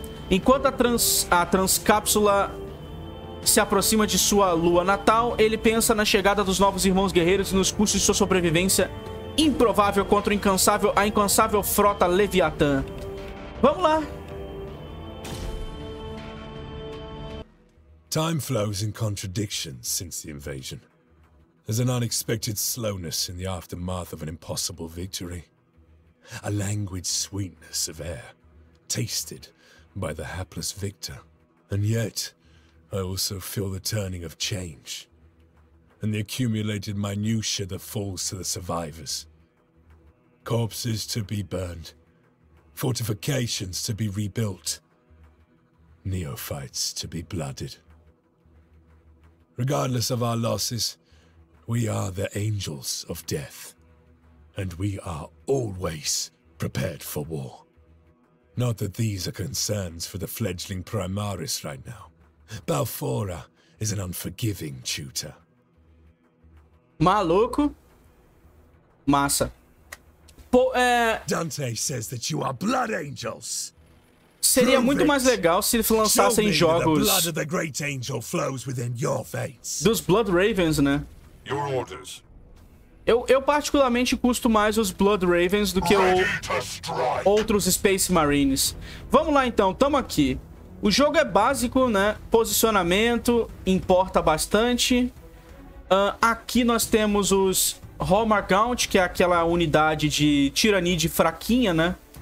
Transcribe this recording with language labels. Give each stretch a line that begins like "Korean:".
Portuguese: Enquanto a transcápsula se aproxima de sua lua natal, ele pensa na chegada dos novos irmãos guerreiros e nos custos de sua sobrevivência improvável contra a incansável frota Leviatã. Vamos lá.
English: Time flows in contradiction since the invasion. There's an unexpected slowness in the aftermath of an impossible victory. A languid sweetness of air, tasted by the hapless victor. And yet, I also feel the turning of change. And the accumulated minutiae that falls to the survivors. Corpses to be burned. Fortifications to be rebuilt, neophytes to be blooded. Regardless of our losses, we are the angels of death, and we are always prepared for war. Not that these are concerns for the fledgling Primaris right now. Balfora is an unforgiving tutor.
Portuguese: Maluco? Massa.
English: Dante says that you are blood angels.
Portuguese: Seria muito mais legal se eles lançassem jogos.
English: The blood of the great angel flows within your veins.
Portuguese: Dos Blood Ravens, né?
English: Your orders.
Portuguese: Eu particularmente custo mais os Blood Ravens do que outros Space Marines. Vamos lá então, tamo aqui. O jogo é básico, né? Posicionamento importa bastante. Aqui nós temos os Hallmargaunt, que é aquela unidade de Tiranide fraquinha, né?